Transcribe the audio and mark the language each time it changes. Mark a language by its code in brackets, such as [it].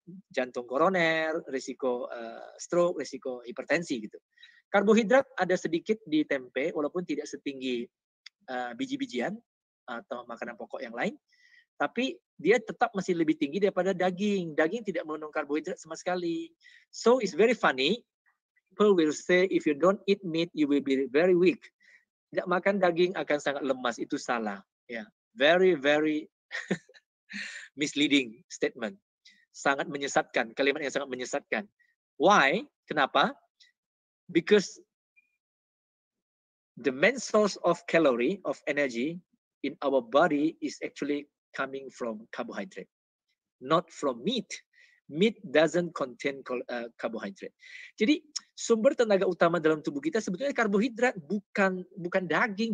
[id] Jantung koroner, risiko stroke, risiko hipertensi gitu. Karbohidrat ada sedikit di tempe, walaupun tidak setinggi biji-bijian atau makanan pokok yang lain. Tapi dia tetap masih lebih tinggi daripada daging. Daging tidak mengandung karbohidrat sama sekali. [en] So it's very funny. People will say if you don't eat meat, you will be very weak. [id] Tidak makan daging akan sangat lemas. Itu salah. [en] Yeah. Very, very misleading statement. [id] Sangat menyesatkan. Kalimat yang sangat menyesatkan. [en] Why? [id] Kenapa? [en] Because the main source of calorie, of energy in our body is actually coming from carbohydrate, not from meat. Meat doesn't contain carbohydrate. [id] Jadi sumber tenaga utama dalam tubuh kita sebetulnya karbohidrat, bukan daging.